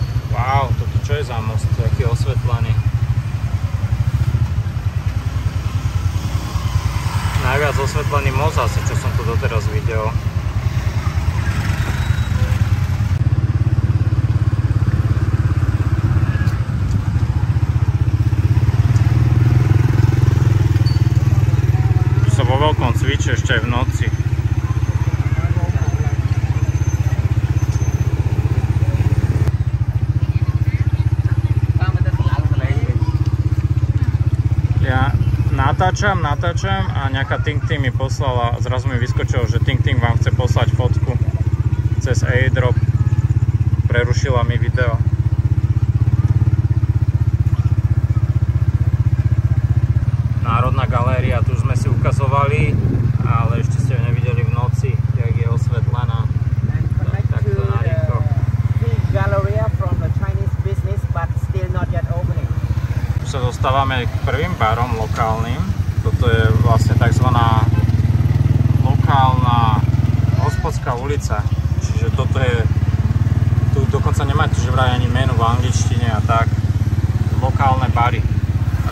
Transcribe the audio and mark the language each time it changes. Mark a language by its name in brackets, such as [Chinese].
[Slovak] Wow, toto čo je za most, taký osvetlený. Najviac osvetlený most asi, čo som tu doteraz videl. Cvičí ešte aj v noci. Ja natáčam a nejaká TinkTing mi poslala, zrazu mi vyskočilo, že TinkTing vám chce poslať fotku cez airdrop. Prerušila mi video. Národná galéria, tu sme si ukazovali. Ale ešte ste ho nevideli v noci, jak je osvetlená. Takto na rýchlo. [English] Galleria from the Chinese business, but still not yet opening. [Slovak] Už sa dostávame k prvým barom lokálnym. Toto je vlastne takzvaná lokálna hospodská ulica. Čiže toto je, tu dokonca nemáte že vraj ani menu v angličtine a tak. Lokálne bary. A